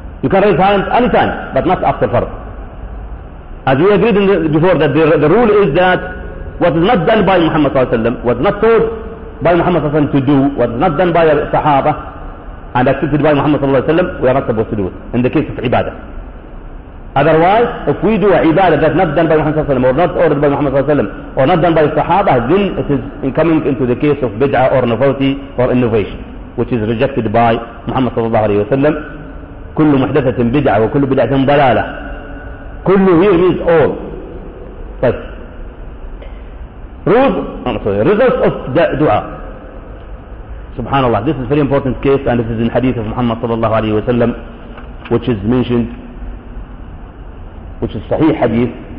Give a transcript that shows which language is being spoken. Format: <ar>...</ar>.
<en>You can raise hands any time, but not after fard. As we agreed before that the rule is that what is not done by Muhammad sallallahu alaihi wasallam, what is not told by Muhammad sallallahu alaihi wasallam to do, what is not done by the Sahaba and accepted by Muhammad sallallahu alaihi wasallam, we are not supposed to do it in the case of ibadah. Otherwise, if we do a ibadah that's not done by Muhammad sallallahu alaihi wasallam, or not ordered by Muhammad sallallahu alaihi wasallam, or not done by the Sahaba, then it is coming into the case of bid'ah or novelty or innovation, which is rejected by Muhammad sallallahu alayhi wa sallam.</en> <ar>كل محدثة بدعة وكل بدعة ضلالة.</ar> <en>كل here means all. But results of dua. Subhanallah, this is a very important case and this is in hadith of Muhammad sallallahu alayhi wa sallam, which is mentioned, which is sahih hadith.</en>